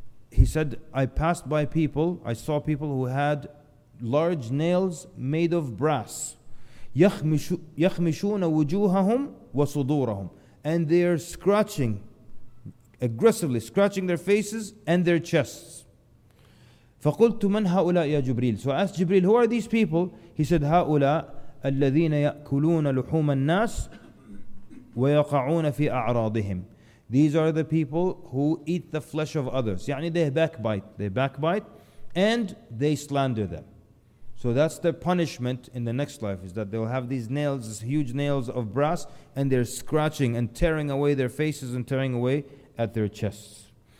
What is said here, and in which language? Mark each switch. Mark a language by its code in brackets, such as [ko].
[en] He said, I passed by people, I saw people who had large nails made of brass. [ar] يَخْمِشُونَ وُجُوهَهُمْ وَصُدُورَهُمْ. [en] And they are scratching, aggressively scratching their faces and their chests. [ar] فَقُلْتُ مَنْ هَؤُلَاء يَا جِبْرِيلُ. [en] So I asked Jibreel, who are these people? He said, [ar] هَؤُلَاء الَّذِينَ يَأْكُلُونَ لُحُومَ النَّاسِ وَيَقَعُونَ فِي أَعْرَاضِهِمْ. [en] These are the people who eat the flesh of others. يعني they backbite. They backbite and they slander them. So that's their punishment in the next life, is that they'll have these nails, these huge nails of brass, and they're scratching and tearing away their faces and tearing away at their chests.